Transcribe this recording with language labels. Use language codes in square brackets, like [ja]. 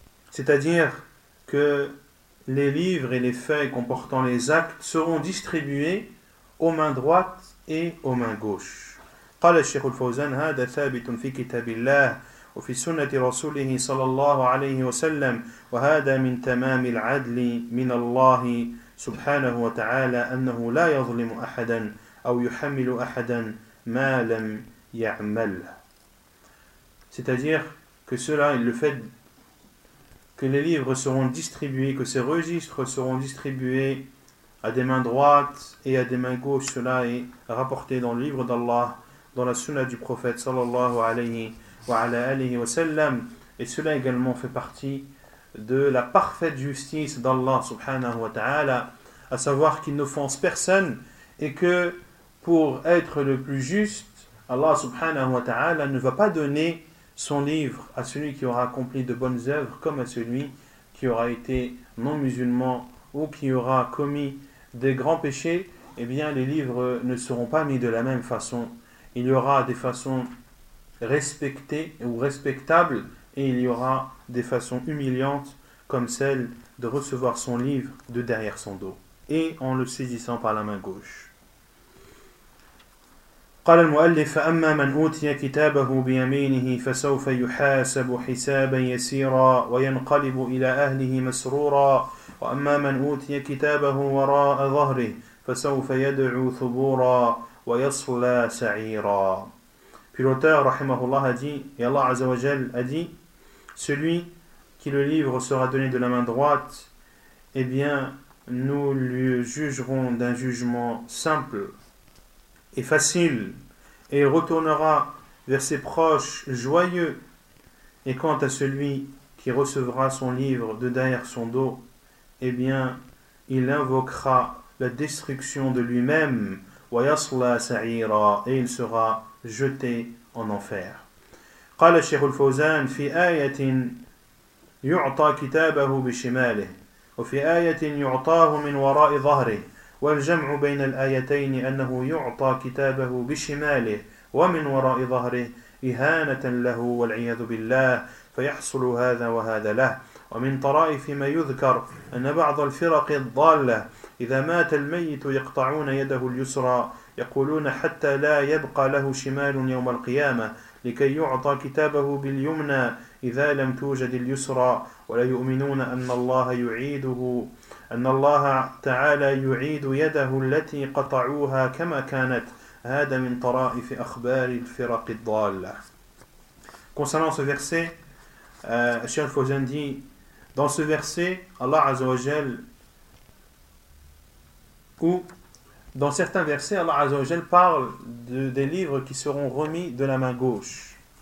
[fr] C'est-à-dire que les livres et les feuilles comportant les actes seront distribués aux mains droites et aux mains gauches. [ar] قال الشيخ الفوزان هذا ثابت في كتاب الله وفي سنة رسوله صلى الله عليه وسلم وهذا من تمام العدل من الله سبحانه وتعالى أنه لا يظلم أحدا أو يحمل أحدا ما لم يعمل. [fr] C'est-à-dire que cela est le fait que les livres seront distribués, que ces registres seront distribués à des mains droites et à des mains gauches. Cela est rapporté dans le livre d'Allah, dans la sunna du prophète [ar] صلى الله عليه وسلم. [fr] Et cela également fait partie de la parfaite justice d'Allah subhanahu wa ta'ala, à savoir qu'il n'offense personne et que pour être le plus juste, Allah subhanahu wa ta'ala ne va pas donner son livre à celui qui aura accompli de bonnes œuvres comme à celui qui aura été non musulman ou qui aura commis des grands péchés. Eh bien, les livres ne seront pas mis de la même façon. Il y aura des façons respecté ou respectable, et il y aura des façons humiliantes comme celle de recevoir son livre de derrière son dos et en le saisissant par la main gauche. [ar] قال المؤلف أما من أوتي كتابه بيمينه فسوف يحاسب حسابا يسيرا وينقلب إلى أهله مسرورا وأما من أوتي كتابه وراء ظهره فسوف يدعو ثبورا ويصلى سعيرا. [fr] Puis l'auteur, rahimahullah, a dit, et Allah azawajal a dit, celui qui le livre sera donné de la main droite, eh bien, nous le jugerons d'un jugement simple et facile, et il retournera vers ses proches joyeux. Et quant à celui qui recevra son livre de derrière son dos, eh bien, il invoquera la destruction de lui-même, [ar] wa yasla sa'ira, [fr] et il sera jeté en enfer. [ar] قال الشيخ الفوزان في آية يعطى كتابه بشماله وفي آية يعطاه من وراء ظهره والجمع بين الآيتين أنه يعطى كتابه بشماله ومن وراء ظهره إهانة له والعياذ بالله فيحصل هذا وهذا له. ومن طرائف ما يذكر أن بعض الفرق الضالة إذا مات الميت يقطعون يده اليسرى يقولون حتى لا يبقى له شمال يوم القيامة لكي يعطى كتابه باليمنى إذا لم توجد اليسرى ولا يؤمنون أن الله يعيده أن الله تعالى يعيد يده التي قطعوها كما كانت. هذا من طرائف أخبار الفرق الضالة. [fr] Concernant ce verset, Cheikh Fouzan dit, dans ce verset, Allah Azza wa Jal, ou dans certains versets, Allah Azza wa Jal parle des livres qui seront remis de la main gauche.